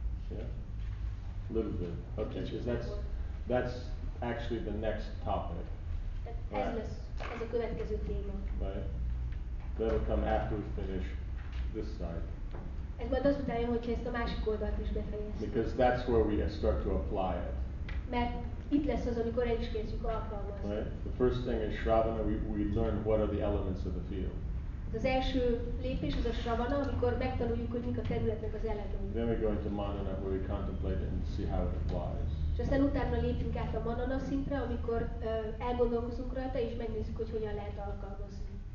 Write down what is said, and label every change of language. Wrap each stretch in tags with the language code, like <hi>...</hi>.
<en>Yeah. A little bit. Okay, because that's actually the next topic. Right.</en> <hu>Ez lesz, ez a következő téma.</hu> <en>Right. That'll come after we finish this side.</en> <hu>Ez majd azután jön, hogyha ezt a másik oldalt is befejezzük.</hu> <en>Because that's where we start to apply it.</en> <hu>Mert itt lesz az, amikor el is kezdjük alkalmazni.</hu> <en>Right. The first thing is Shravana, we learn what are the elements of the field.</en> <hu>Az első lépés az a Shravana, amikor megtanuljuk, hogy mik a területnek az elemei.</hu> <en>Then we go into Manana, where we contemplate it and see how it applies.</en> <hu>És aztán utána lépünk át a Manana szintre, amikor elgondolkozunk rajta, és megnézzük, hogy hogyan lehet alkalmazni.</hu>